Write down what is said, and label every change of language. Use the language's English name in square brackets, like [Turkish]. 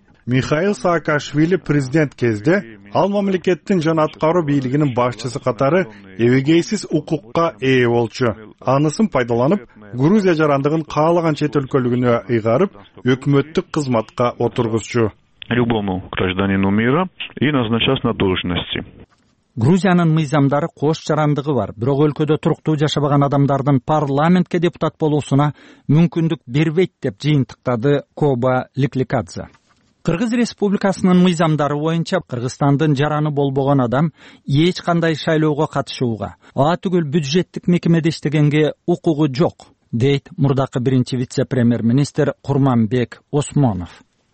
[Kyrgyz] Михаил Саакашвили президент кезде ал мамлекеттин жана аткаруу бийлигинин башчысы катары эбегейсиз укукка ээ болчу. Анысын пайдаланып, Грузия жарандыгын каалаган чет өлкөлүгүнө ыйгарып, өкмөттүк кызматка отургузчу. [Russian] Любому гражданину мира и назначать на должности. [Kyrgyz] Грузиянын мыйзамдары кош жарандыгы бар, бирок өлкөдө туруктуу жашабаган адамдардын парламентке депутат болуусуна мүмкүндүк бербейт деп жыйынтыктады Коба Ликликадзе. Кыргыз Республикасынын мыйзамдары боюнча Кыргызстандын жараны болбогон адам эч кандай шайлоого катышууга, атүгүл бюджеттик мекемеде иштегенге укугу жок, дейт мурдакы биринчи вице-премьер-министр Курманбек Осмонов.